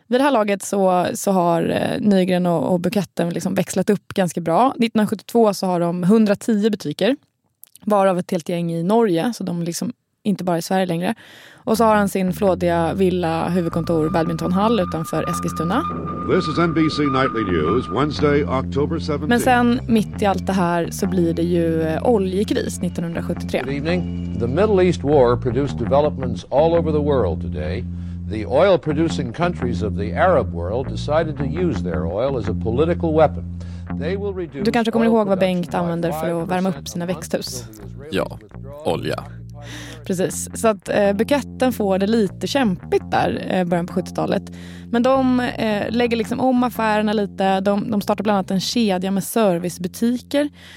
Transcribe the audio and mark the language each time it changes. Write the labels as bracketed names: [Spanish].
[Swedish] Vid det här laget så har Nygren och buketten liksom växlat upp ganska bra. 1972 så har de 110 butiker, varav ett helt gäng i Norge, så de liksom inte bara i Sverige längre. Och så har han sin flådiga villa, huvudkontor, badmintonhall utanför Eskilstuna. [English] This is NBC Nightly News, Wednesday, October 17th. [Swedish] Men sen, mitt i allt det här, så blir det ju oljekris 1973. [English] Good evening. The Middle East war produced developments all over the world today. The oil-producing countries of the Arab world decided to use their oil as a political weapon. [Swedish] Du kanske kommer ihåg vad Bengt använder för att värma upp sina växthus. Ja, olja. Precis, så att buketten får det lite kämpigt där början på 70-talet. Men de lägger liksom om affärerna lite. De startar bland annat en kedja med servicebutiker.